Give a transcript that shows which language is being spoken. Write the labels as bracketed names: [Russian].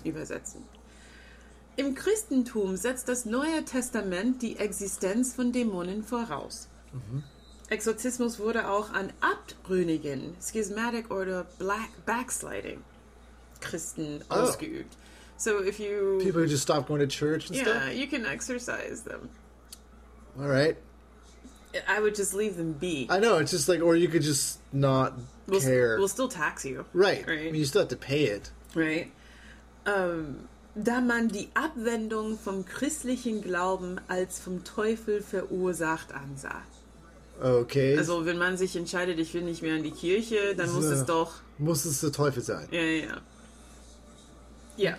[German] übersetzen. Im Christentum setzt das Neue Testament die Existenz von Dämonen voraus. Mhm. Exorzismus wurde auch an Abtrünnigen, [English] Schismatic Order, Black Backsliding, [German] Christen ausgeübt. [English] So if you... People who just stop going to church and stuff? Yeah, you can exorcise them. All right. I would just leave them be. I know, it's just like, or you could just not care. We'll still tax you. Right. Right? I mean, you still have to pay it. Right. [German] Da man die Abwendung vom christlichen Glauben als vom Teufel verursacht ansah. Okay. Also wenn man sich entscheidet, ich will nicht mehr in die Kirche, dann muss es doch... Muss es der Teufel sein. Ja, ja, ja.